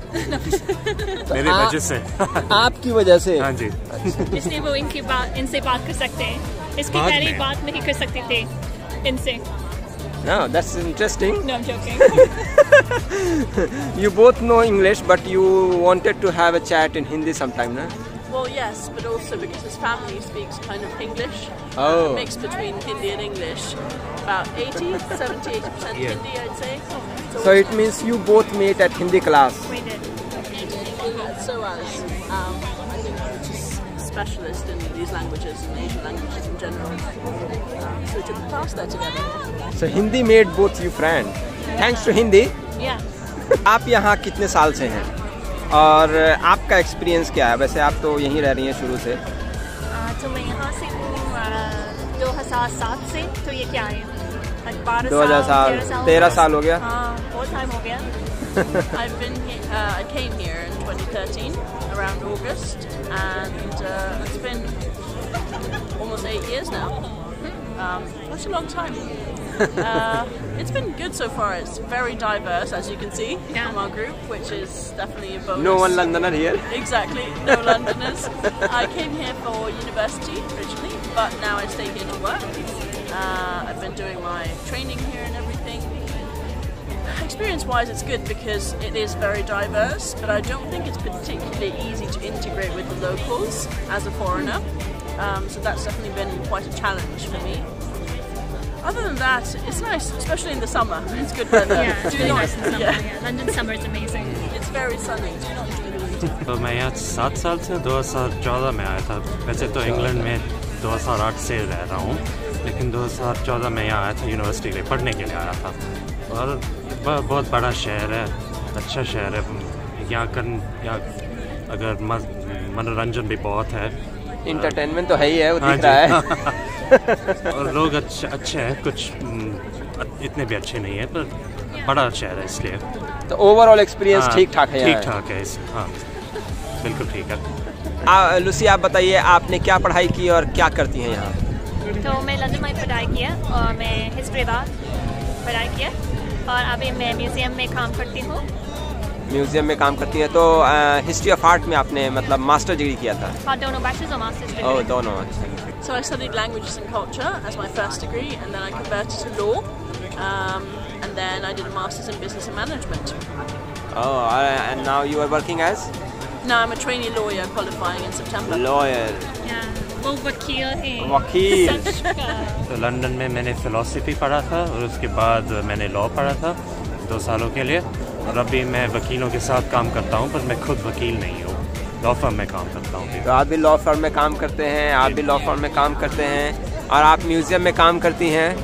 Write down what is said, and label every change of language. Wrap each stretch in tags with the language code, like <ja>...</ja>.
<hi>मेरी वजह से। आपकी वजह से? हाँ जी। इसलिए वो इनकी बात, इनसे बात कर सकते हैं, इसकी पहले बात नहीं कर सकते थे इनसे।</hi> <en>No, that's interesting. No, I'm joking. You both know English, but you wanted to have a chat in Hindi sometime, na? Well, yes, but also because his family speaks kind of English. Oh. A mix between Hindi and English. About 70-80% yeah. Hindi, I'd say. So it means you both met at Hindi class? We did. also as I think specialist in these languages and Asian languages in general. So we took the class there together. So Hindi made both you friends. Thanks to Hindi. Yeah.</en> <hi>आप यहाँ कितने साल से हैं? और आपका experience क्या है? वैसे आप तो यहीं रह रही हैं शुरू से. तो मैं यहाँ से हूँ 2007 से. तो ये क्या है? 2007. 13 साल हो गया. हाँ, बहुत टाइम हो गया.</hi> <en>I've been here. I came here in 2013 around August, and it's been almost 8 years now. That's a long time. It's been good so far. It's very diverse, as you can see, yeah, from our group, which is definitely a bonus. No one Londoner here. Exactly, no Londoners. I came here for university originally, but now I stay here to work. I've been doing my training here and everything. Experience-wise, it's good because it is very diverse, but I don't think it's particularly easy to integrate with the locals as a foreigner. So that's definitely been quite a challenge for me. Other than that, it's nice, especially in the summer. It's good weather. Yeah, it's really nice in summer. Yeah. Yeah. London summer is amazing. It's very sunny. Do not enjoy the winter.</en> <hi>मैं यहाँ 7 साल से 2014 में आया था. वैसे तो England में 2008 से रह रहा हूँ, लेकिन 2014 में यहाँ आया था यूनिवर्सिटी के लिए, पढ़ने के लिए आया था. और बहुत बड़ा शहर है, अच्छा शहर है. यहाँ कर अगर मनोरंजन भी बहुत है. इंटरटेनमेंट तो है ही है, वो दिख रहा है. और लोग अच्छे हैं, कुछ इतने भी अच्छे नहीं है, पर बड़ा शहर है इसलिए. तो ओवरऑल एक्सपीरियंस ठीक ठाक है? ठीक ठाक है. हाँ, बिल्कुल ठीक है. लुसी, आप बताइए, आपने क्या पढ़ाई की और क्या करती हैं यहाँ? तो मैं लंदन में पढ़ाई किया और मैं हिस्ट्री बात पढ़ाई किया, और अभी मैं म्यूजियम में काम करती हूँ. म्यूजियम में काम करती है. तो हिस्ट्री ऑफ आर्ट में आपने मतलब मास्टर डिग्री किया था? हाँ, दोनों.</hi> <en>So I studied languages and culture as my first degree, and then I converted to law, and then I did a master's in business and management. Oh, and now you are working as? Now I'm a trainee lawyer qualifying in September. Lawyer. Yeah.</en> <hi>Oh, वकील है. वकील. तो London में मैंने philosophy पढ़ा था, और उसके बाद मैंने लॉ पढ़ा था 2 सालों के लिए, और अभी मैं वकीलों के साथ काम करता हूँ, पर मैं खुद वकील नहीं हूँ. आप भी लॉ फर्म में काम करते हैं, आप भी लॉ फर्म में काम करते हैं, और आप म्यूजियम में काम करती हैं.</hi>